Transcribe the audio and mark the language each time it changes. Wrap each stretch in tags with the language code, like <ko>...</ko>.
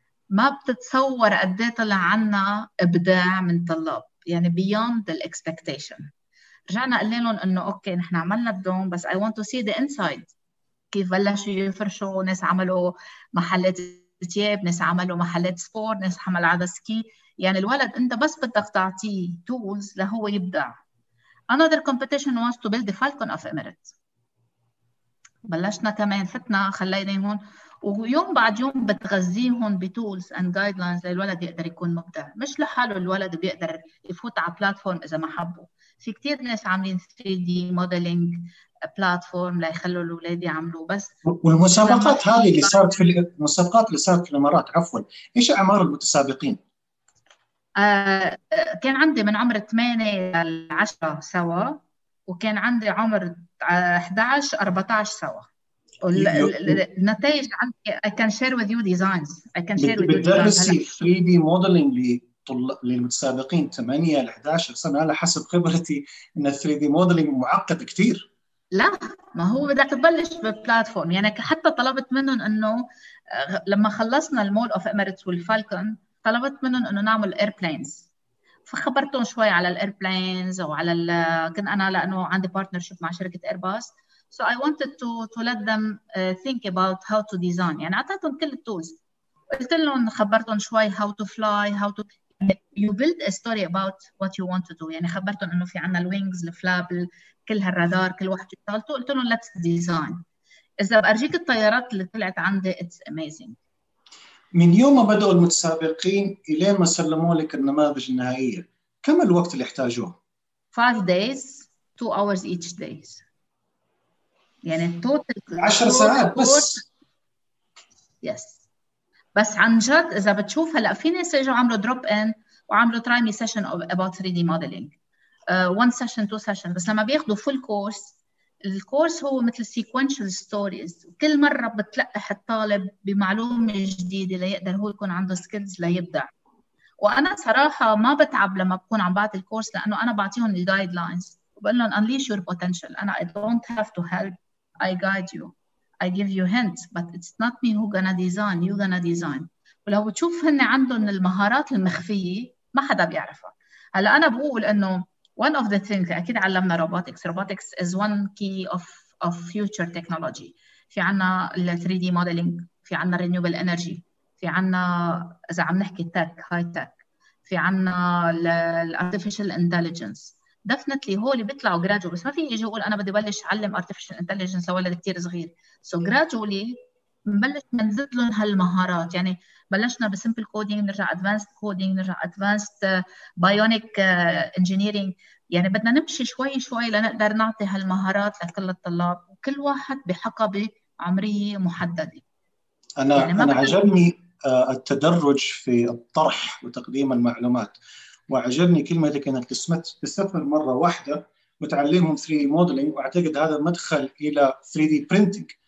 <ar>ما بتتصور قدي طلع عنا إبداع من طلاب، يعني</ar> <en>beyond the expectation.</en> <ar>رجعنا قلين لهم أنه أوكي نحن عملنا الدوم بس</ar> <en>I want to see the inside،</en> <ar>كيف بلشوا يفرشوا، ناس عملوا محلات تياب، ناس عملوا محلات سبور، ناس حمل عدا سكي. يعني الولد أنت بس بدك تعطيه tools لهو يبدع.</ar> <en>Another competition was to build the Falcon of Emirates.</en> <ar>بلشنا كمان فتنا خليني هون، ويوم بعد يوم بتغذيهم بتولز اند جايدلاينز للولد يقدر يكون مبدع. مش لحاله الولد بيقدر يفوت على بلاتفورم اذا ما حبه، في كتير ناس عاملين 3D موديلنج بلاتفورم ليخلوا الاولاد يعملوه. بس والمسابقات هذه اللي صارت في المسابقات اللي صارت في الامارات، عفوا ايش اعمار المتسابقين؟ كان عندي من عمر 8 ل 10 سوا، وكان عندي عمر 11-14 سوا. النتائج عندي</ar> <en>I can share with you designs.</en> <ar>بتدرسي</ar> <en>3D modeling</en> <ar>للمتسابقين 8 ل 11 سنة على حسب خبرتي ان 3D modeling معقد كثير. لا، ما هو بدك تبلش بالبلاتفورم. يعني حتى طلبت منهم انه لما خلصنا المول اوف اميريتس والفالكون، طلبت منهم انه نعمل ايربلينز، فخبرتهم شوي على الايربلينز وعلى كنت انا لانه عندي بارتنرشيب مع شركه ايرباص.</ar> <en>So I wanted to let them think about how to design.</en> <ar>يعني أعطيتهم كل التولز، قلت لهم خبرتهم شوي</ar> <en>how to fly, how to you build a story about what you want to do.</en> <ar>يعني خبرتهم إنه في عنا الوينجز الفلاب كل هالرادار كل واحد يطالته، قلت لهم</ar> <en>let's design.</en> <ar>إذا بأرجيك الطيارات اللي طلعت عندي</ar> <en>it's amazing.</en> <ar>من يوم ما بدأوا المتسابقين إلى ما سلموا لك النماذج النهائية، كم الوقت اللي احتاجوه؟</ar> <en>5 days, 2 hours each day.</en> <ar>يعني التوتال 10 ساعات بس. يس بس عن جد اذا بتشوف هلا في ناس اجوا عملوا دروب ان وعملوا تراي مي سيشن اباوت 3 دي موديلينج، 1 سيشن 2 سيشن، بس لما بياخذوا فول كورس، الكورس هو مثل سيكوينشال ستوريز، كل مره بتلقح الطالب بمعلومه جديده ليقدر هو يكون عنده سكيلز ليبدع. وانا صراحه ما بتعب لما بكون عم بعطي الكورس، لانه انا بعطيهم الجايد لاينز بقول لهم</ar> <en>unleash your potential.</en> <ar>أنا</ar> <en>I don't have to help, I guide you, I give you hints, but it's not me who gonna design, you gonna design.</en> <ar>ولو تشوف هن عندهم المهارات المخفية ما حدا بيعرفها. هلا أنا بقول إنه</ar> <en>one of the things</en> <ar>أكيد علمنا robotics.</ar> <en>Robotics is one key of future technology.</en> <ar>في عنا ال 3D modeling, في عنا renewable energy, في عنا إذا عم نحكي tech, high tech, في عنا ال artificial intelligence. Definitely هو اللي بيطلعوا gradually، بس ما في يجي يقول أنا بدي بلش أعلم artificial intelligence لولد كتير صغير.</ar> <en>So gradually</en> <ar>بلش منزل لهم هالمهارات. يعني بلشنا</ar> <en>بسimple coding، نرجع advanced coding، نرجع advanced bionic engineering.</en> <ar>يعني بدنا نمشي شوي شوي لنقدر نعطي هالمهارات لكل الطلاب، وكل واحد بحقبة عمرية محددة. أنا عجبني التدرج في الطرح وتقديم المعلومات، وعجبني كلمتك انك تسمت بسفر مره واحده وتعلمهم 3D modeling، واعتقد هذا مدخل الى 3D printing.</ar>